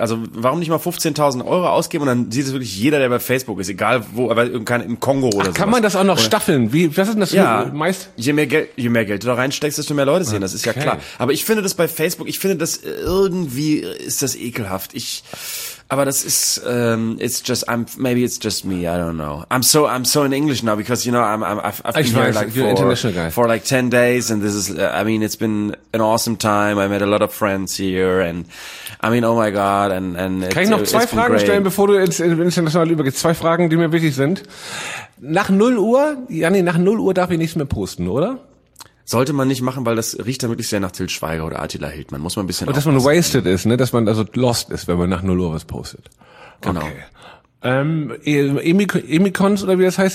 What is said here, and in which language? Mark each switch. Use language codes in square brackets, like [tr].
[de] Also warum nicht mal 15.000 Euro ausgeben und dann sieht es wirklich jeder, der bei Facebook ist, egal wo, aber im Kongo oder so. Kann man das auch noch staffeln? Was ist denn das meist? Je mehr Geld du da reinsteckst, desto mehr Leute sehen, das ist ja klar. Aber ich finde das bei Facebook, irgendwie ist das ekelhaft. Aber das ist, [en] maybe it's just me, I don't know. I'm so in English now, because, you know, I've been here for 10 days, and this is, I mean, it's been an awesome time, I made a lot of friends here, and, I mean, oh my god, and it's great. [de] Kann ich noch zwei Fragen stellen, bevor du ins Internationale übergehst? Zwei Fragen, die mir wichtig sind. Nach 0 Uhr darf ich nichts mehr posten, oder? Sollte man nicht machen, weil das riecht dann wirklich sehr nach Til Schweiger oder Attila Hildmann. Muss man ein bisschen und aufpassen. Dass man wasted ist, ne? Dass man also lost ist, wenn man nach 0 Uhr was postet. Genau. Okay. Emikons oder wie das heißt?